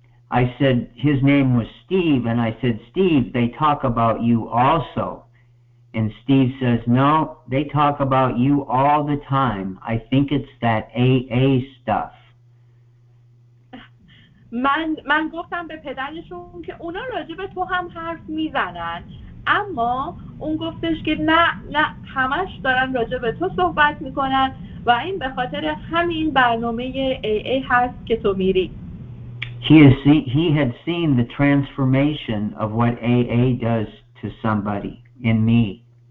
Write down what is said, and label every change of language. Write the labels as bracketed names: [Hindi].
[English] I said his name was Steve, and I said, Steve, they talk about you also. And Steve says, no, they talk about you all the time. I think it's that AA stuff. [Persian] من گفتم به پدرشون که اونا راجع به تو هم حرف میزنن. اما اون گفتش که نه همش دارن راجع به تو صحبت میکنن و این به خاطر همین برنامه AA هست که تو میری. [English] He had seen the transformation of what AA does to somebody in me.